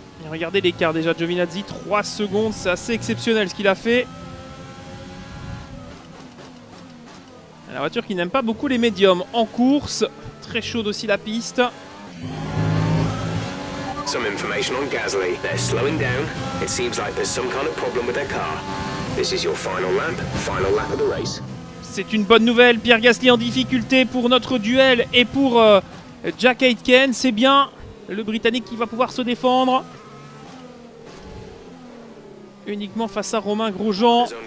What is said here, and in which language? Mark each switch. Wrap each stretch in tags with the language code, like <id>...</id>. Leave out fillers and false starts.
<fr>Regardez l'écart déjà, Giovinazzi, 3 secondes, c'est assez exceptionnel ce qu'il a fait. La voiture qui n'aime pas beaucoup les médiums en course, très chaude aussi la piste.</fr> <en>Some information on Gasly. They're slowing down. It seems like there's some kind of problem with their car. This is your final lap, final lap of the race.</en> <fr>C'est une bonne nouvelle, Pierre Gasly en difficulté pour notre duel et pour Jack Aitken, c'est bien le Britannique qui va pouvoir se défendre. Uniquement face à Romain Grosjean.</fr>